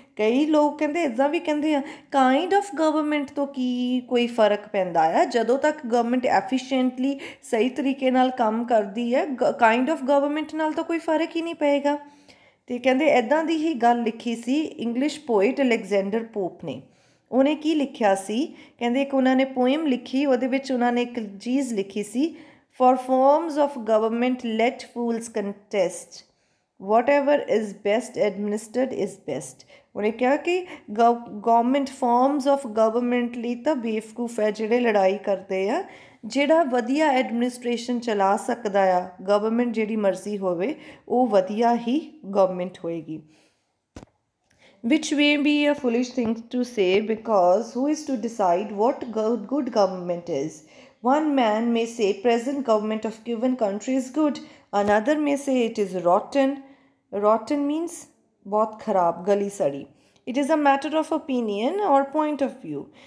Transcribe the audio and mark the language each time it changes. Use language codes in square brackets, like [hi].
[pa] ਕਈ ਲੋਕ ਕਹਿੰਦੇ ਇੱਦਾਂ ਵੀ ਕਹਿੰਦੇ ਆ, ਕਾਇੰਡ ਆਫ ਗਵਰਨਮੈਂਟ ਤੋਂ ਕੀ ਕੋਈ ਫਰਕ ਪੈਂਦਾ ਆ, ਜਦੋਂ ਤੱਕ ਗਵਰਨਮੈਂਟ ਐਫੀਸ਼ੀਐਂਟਲੀ ਸਹੀ ਤਰੀਕੇ ਨਾਲ ਕੰਮ ਕਰਦੀ ਹੈ, ਕਾਇੰਡ ਆਫ ਗਵਰਨਮੈਂਟ ਨਾਲ ਤਾਂ ਕੋਈ ਫਰਕ ਹੀ ਨਹੀਂ ਪਏਗਾ। ਅਤੇ ਕਹਿੰਦੇ ਇੱਦਾਂ ਦੀ ਹੀ ਗੱਲ ਲਿਖੀ ਸੀ ਇੰਗਲਿਸ਼ ਪੋਇਟ ਅਲੈਗਜ਼ੈਂਡਰ ਪੋਪ ਨੇ। ਉਹਨੇ ਕੀ ਲਿਖਿਆ ਸੀ, ਕਹਿੰਦੇ ਇੱਕ ਉਹਨਾਂ ਨੇ ਪੋਇਮ ਲਿਖੀ, ਉਹਦੇ ਵਿੱਚ ਉਹਨਾਂ ਨੇ ਇੱਕ ਚੀਜ਼ ਲਿਖੀ ਸੀ, [en] For forms of government, let fools contest. Whatever is best administered is best. [pa] ਉਹਨੇ ਕਿਹਾ ਕਿ ਗਵਰਮੈਂਟ ਫੋਰਮਸ ਆਫ ਗਵਰਮੈਂਟ ਲਈ ਤਾਂ ਬੇਵਕੂਫ ਹੈ ਜਿਹੜੇ ਲੜਾਈ ਕਰਦੇ ਆ, ਜਿਹੜਾ ਵਧੀਆ ਐਡਮਿਨਿਸਟ੍ਰੇਸ਼ਨ ਚਲਾ ਸਕਦਾ ਆ, ਗਵਰਮੈਂਟ ਜਿਹੜੀ ਮਰਜ਼ੀ ਹੋਵੇ ਉਹ ਵਧੀਆ ਹੀ ਗਵਰਮੈਂਟ ਹੋਏਗੀ। [en] Which may be a foolish thing to say, because who is to decide what good government is? One man may say present government of given country is good, another may say it is rotten. Rotten means [pa] bahut kharab, gali sadi. [en] It is a matter of opinion or point of view.